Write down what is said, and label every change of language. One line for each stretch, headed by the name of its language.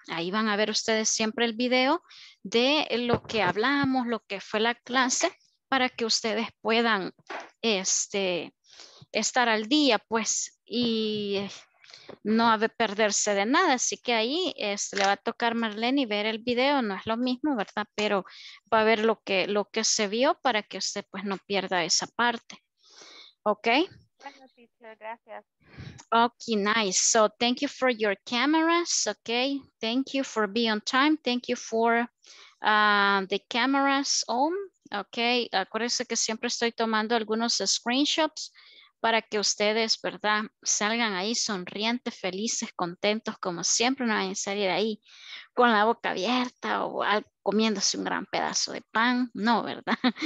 Spanish: Ahí van a ver ustedes siempre el video de lo que hablamos, lo que fue la clase, para que ustedes puedan estar al día, pues, y no perderse de nada. Así que ahí le va a tocar Marlene y ver el video. No es lo mismo, ¿verdad? Pero va a ver lo que se vio para que usted, pues, no pierda esa parte. ¿Ok? Gracias.
English: Okay, nice. So thank you for your cameras. Okay, thank you for being on time. Thank you for the cameras on.
Spanish: Okay, acuérdense que siempre estoy tomando algunos screenshots para que ustedes, ¿verdad?, salgan ahí sonrientes, felices, contentos, como siempre, no vayan a salir ahí con la boca abierta o comiéndose un gran pedazo de pan. No, ¿verdad?